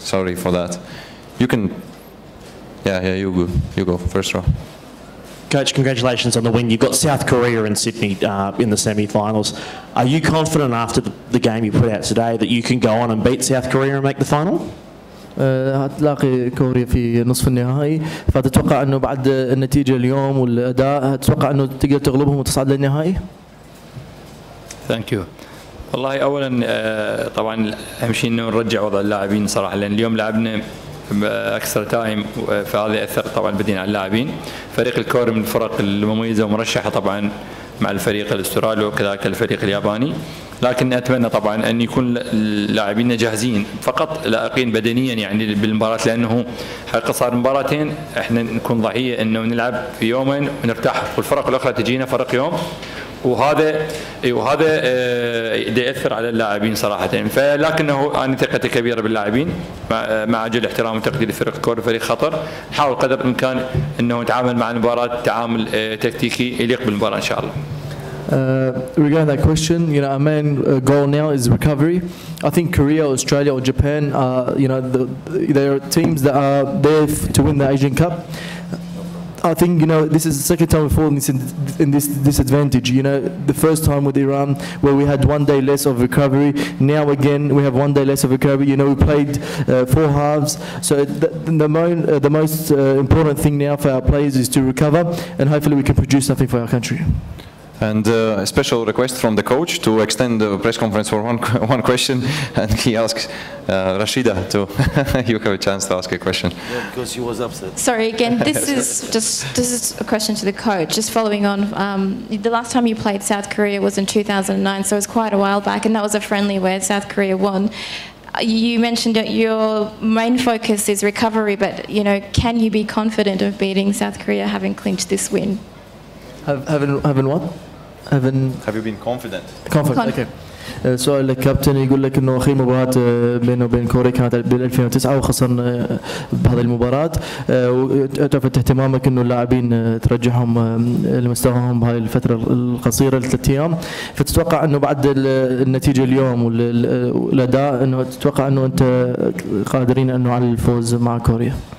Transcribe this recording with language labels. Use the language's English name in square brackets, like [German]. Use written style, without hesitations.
[English] Sorry for that. You can, yeah, you go first row. Coach, congratulations on the win. You've got South Korea and Sydney in the semi-finals. Are you confident after the game you put out today that you can go on and beat South Korea and make the final? [Arabic] هتلاقي كوريا في نصف النهائي، فتتوقع أنه بعد النتيجة اليوم والأداء هتتوقع أنه تقدر تغلبهم وتصعد للنهائي؟ [English] Thank you. [Arabic] والله أولاً طبعاً أهم شيء أنه نرجع وضع اللاعبين صراحة، لأن اليوم لعبنا اكسترا تايم، فهذا اثر طبعا بدين على اللاعبين. فريق الكوري من الفرق المميزه ومرشحه طبعا مع الفريق الاسترالي وكذلك الفريق الياباني، لكن اتمنى طبعا ان يكون اللاعبين جاهزين فقط لائقين بدنيا يعني بالمباراه، لانه حقيقه صار مباراتين احنا نكون ضحيه انه نلعب في يومين ونرتاح والفرق الاخرى تجينا فرق يوم، وهذا يؤثر على اللاعبين صراحه. فلكنه انا ثقتي كبيره باللاعبين، مع جل احترام وتقدير فريق الكوره فريق خطر، نحاول قدر الامكان انه نتعامل مع المباراه تعامل تكتيكي يليق بالمباراه ان شاء الله. [English] Regarding that question, you know, our main goal now is recovery. I think Korea, Australia, or Japan are, you know, they are teams that are there to win the Asian Cup. I think, you know, this is the second time we've fallen in this disadvantage. You know, the first time with Iran, where we had 1 day less of recovery. Now again, we have 1 day less of recovery. You know, we played four halves. So the most important thing now for our players is to recover, and hopefully we can produce something for our country. And a special request from the coach to extend the press conference for one question, and he asks Rashida to you have a chance to ask a question. Yeah, because she was upset. Sorry again. This is a question to the coach. Just following on, the last time you played South Korea was in 2009, so it was quite a while back, and that was a friendly where South Korea won. You mentioned that your main focus is recovery, but you know, can you be confident of beating South Korea having clinched this win? Have you been confident? Confident. Okay. [Arabic] سؤال للكابتن يقول لك انه اخر مباراه بينه وبين كوريا كانت بال 2009 وخسرنا بهذه المباراه وتفت اهتمامك انه اللاعبين ترجعهم لمستواهم بهذه الفتره القصيره الثلاث ايام فتتوقع انه بعد النتيجه اليوم والاداء انه تتوقع انه انت قادرين انه على الفوز مع كوريا